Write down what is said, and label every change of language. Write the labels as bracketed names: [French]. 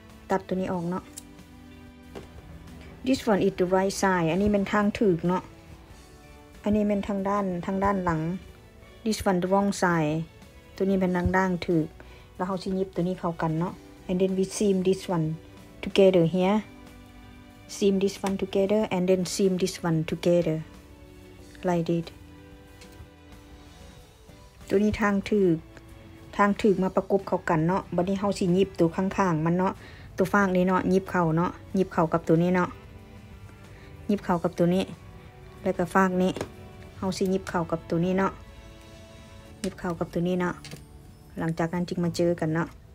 [Northeastern Thai] ตัดตัวนี้ออกเนาะ [English] This one is the right side. [Northeastern Thai] อันนี้เป็นทางถูกเนาะอันนี้เป็นทางด้านหลัง [English] This one the wrong side. [Northeastern Thai] ตัวนี้เป็นทางด้านถูกแล้วเราชิ้นยิบตัวนี้เข้ากันเนาะ [English] And then we seam this one together here. Seam this one together and then seam this one together. Like it. [Northeastern Thai] ตัวนี้ทางถึกมาประกบเข้ากันเนาะบัดนี้เฮาสิหยิบตัวข้างๆมันเนาะตัวฟางนี้เนาะหยิบเข้าเนาะหยิบเข้ากับตัวนี้เนาะหยิบเข้ากับตัวนี้แล้วก็ฟางนี้เฮาสิหยิบเข้ากับตัวนี้เนาะหยิบเข้ากับตัวนี้เนาะหลังจากนั้นจึงมาเจอกันเนาะ